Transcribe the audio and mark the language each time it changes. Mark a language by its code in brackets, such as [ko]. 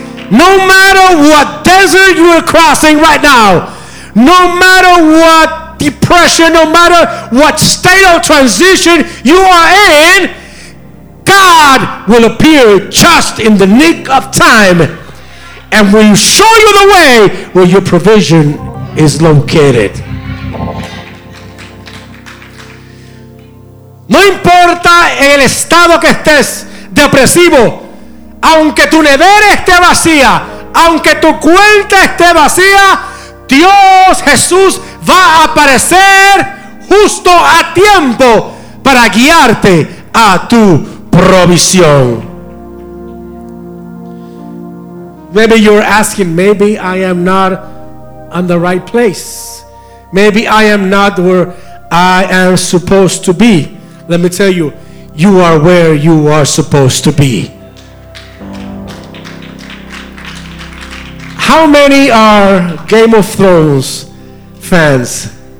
[en] No matter what desert you are crossing right now, no matter what depression, no matter what state of transition you are in, God will appear just in the nick of time and will show you the way where your provision is located. [es] No importa el estado que estés, depresivo, aunque tu nevera esté vacía, aunque tu cuenta esté vacía, Dios Jesús va a aparecer justo a tiempo para guiarte a tu provisión. [en] Maybe you're asking, maybe I am not on the right place. Maybe I am not where I am supposed to be. Let me tell you, you are where you are supposed to be. How many are Game of Thrones fans?